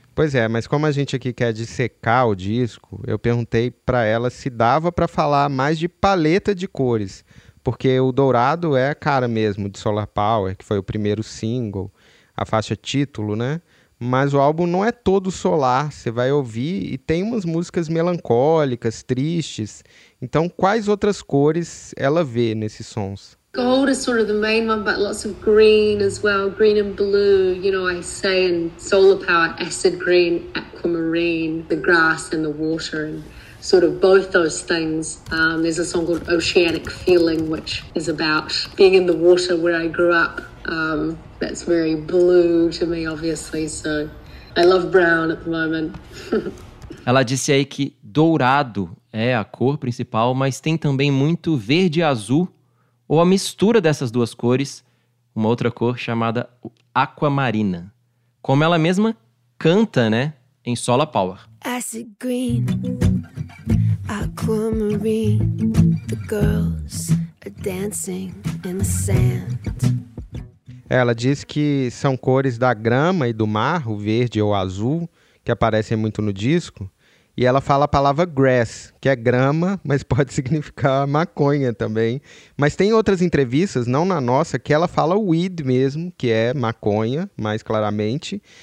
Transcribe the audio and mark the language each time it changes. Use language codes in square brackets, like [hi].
[pt] Pois é, mas como a gente aqui quer dissecar o disco, eu perguntei para ela se dava para falar mais de paleta de cores, porque o dourado é a cara mesmo de Solar Power, que foi o primeiro single, a faixa título, né? Mas o álbum não é todo solar, você vai ouvir e tem umas músicas melancólicas, tristes. Então, quais outras cores ela vê nesses sons? [en] Gold is sort of the main one, but lots of green as well, green and blue. You know, I say in Solar Power, acid green, aquamarine, the grass and the water, and sort of both those things. There's a song called Oceanic Feeling, which is about being in the water where I grew up. That's very blue to me, obviously, so I love brown at the moment. [pt] Ela disse aí que dourado é a cor principal, mas tem também muito verde e azul, ou a mistura dessas duas cores, uma outra cor chamada aquamarina. Como ela mesma canta, né, em Solar Power. [en] Acid green, aquamarine, the girls are dancing in the sand. [pt] Ela diz que são cores da grama e do mar, o verde ou o azul, que aparecem muito no disco. E ela fala a palavra grass, que é grama, mas pode significar maconha também. Mas tem outras entrevistas, não na nossa, que ela fala weed mesmo, que é maconha, mais claramente.